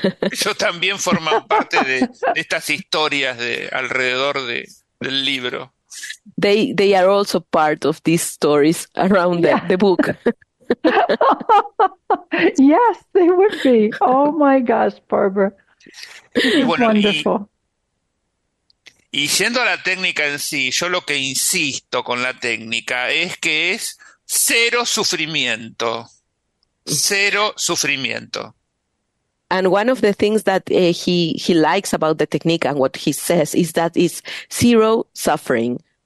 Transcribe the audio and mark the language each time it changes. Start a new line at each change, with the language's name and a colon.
Spanish: Ellos también forman parte de estas historias de alrededor del libro.
English: They are also part of these stories around the book. Yes, they would be. Oh my gosh, Barbara.
Spanish: Bueno,
English: wonderful.
Spanish: Y yendo a la técnica en sí, yo lo que insisto con la técnica es que es cero sufrimiento. Cero sufrimiento.
English: And one of the things that he likes about the technique and what he says is that it's zero suffering.